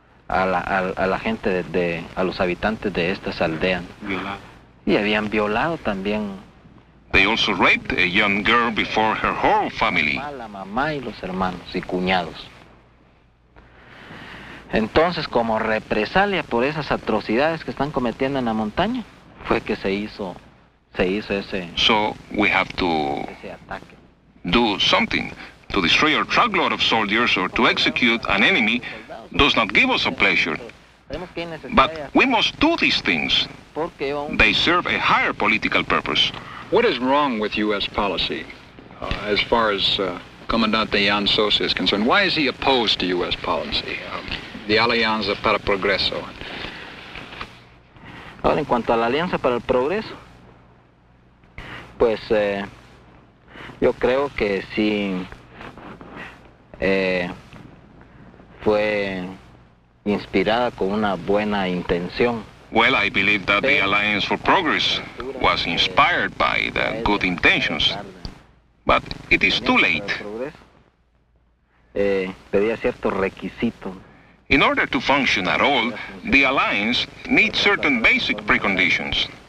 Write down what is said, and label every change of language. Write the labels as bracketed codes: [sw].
[es] A la gente a los habitantes de estas aldeas. Y habían violado también. [en] They also raped a young girl before her whole family. [es] La mamá y los hermanos y cuñados. Entonces, como represalia por esas atrocidades que están cometiendo en la montaña, fue que se hizo ese. [en] So we have to do something to destroy a truckload of soldiers or to execute an enemy does not give us a pleasure. But we must do these things. They serve a higher political purpose. What is wrong with U.S. policy, as far as Comandante Jan Sosa is concerned? Why is he opposed to U.S. policy? The Alianza para el Progreso. [es] Ahora, en cuanto a la Alianza para el Progreso, pues yo creo que sí fue inspirada con una buena intención. [en] Well, I believe that the Alliance for Progress was inspired by the good intentions. But it is too late. [es] Pedía cierto requisito. [en] In order to function at all, the alliance needs certain basic preconditions.